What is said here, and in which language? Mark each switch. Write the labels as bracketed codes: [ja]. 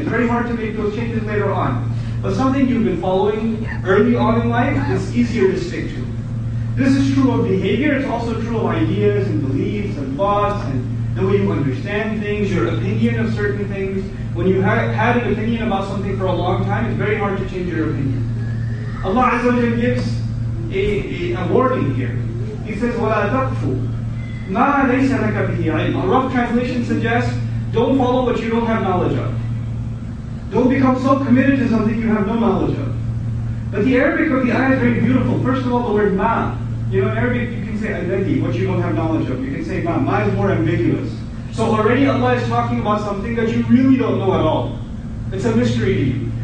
[en] It's very hard to make those changes later on. But something you've been following early on in life is easier to stick to. This is true of behavior, it's also true of ideas and beliefs and thoughts and the way you understand things, your opinion of certain things. When you have an opinion about something for a long time, it's very hard to change your opinion. Allah Azza wa Jalla gives a warning here. He says, [ar] وَلَا تَقْفُ مَا لَيْسَ لَكَ بِهِ عِلْمٌ. [en] A rough translation suggests, don't follow what you don't have knowledge of. Don't become so committed to something you have no knowledge of. But the Arabic of the ayah is very beautiful. First of all, the word ma. You know, in Arabic you can say alladhi, what you don't have knowledge of. You can say ma. Ma is more ambiguous. So already Allah is talking about something that you really don't know at all. It's a mystery to you.